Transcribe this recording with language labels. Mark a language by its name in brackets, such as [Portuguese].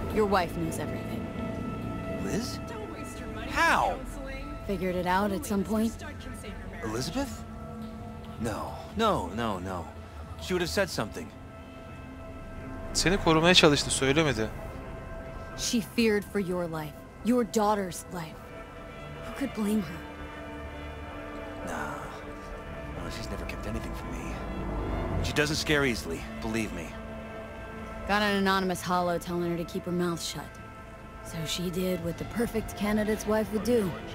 [English] Your wife knows everything. Liz? How? Figured it out at some point. Elizabeth? No. She would have said something. [Turkish] Seni korumaya çalıştı, söylemedi. [English] She feared for your life, your daughter's life. Who could blame her? Nah. Well, she's never kept anything from me. She doesn't scare easily, believe me. Got an anonymous hollow telling her to keep her mouth shut. So she did what the perfect candidate's wife would do.